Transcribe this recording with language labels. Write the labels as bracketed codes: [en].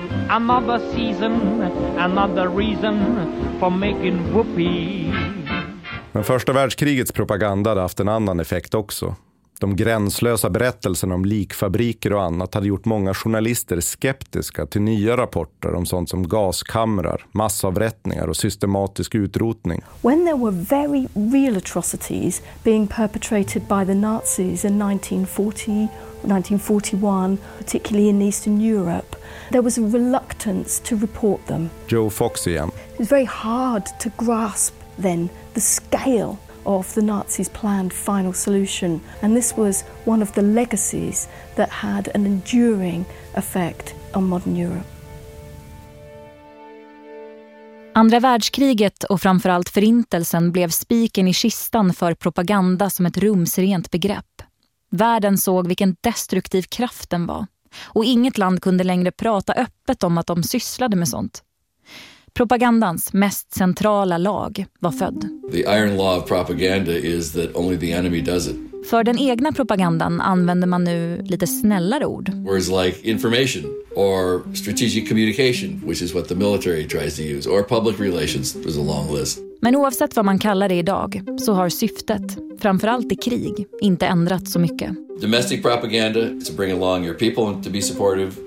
[en] Another season, another reason for making whoopee. [sv] Men första världskrigets propaganda hade haft en annan effekt också. De gränslösa berättelserna om likfabriker och annat hade gjort många journalister skeptiska till nya rapporter om sånt som gaskamrar, massavrättningar och systematisk utrotning. [en] When there were very real atrocities being perpetrated by the Nazis in 1940-1941, particularly in Eastern Europe, there was a reluctance to report them. [sv] Joe Fox igen. [en] It was very hard to grasp then the scale of the Nazis' planned final solution, and this was one of the legacies that had an enduring effect on modern Europe. [sv] Andra världskriget och framförallt förintelsen blev spiken i kistan för propaganda som ett rumsrent begrepp. Världen såg vilken destruktiv kraft den var, och inget land kunde längre prata öppet om att de sysslade med sånt. Propagandans mest centrala lag var född. [en] The iron law of propaganda is that only the enemy does it. [sv] För den egna propagandan använder man nu lite snällare ord. [en] Words like information or strategic communication, which is what the military tries to use, or public relations. There's a long list. [sv] Men oavsett vad man kallar det idag så har syftet, framförallt i krig, inte ändrat så mycket. [en] Domestic propaganda is to bring along your people to be supportive.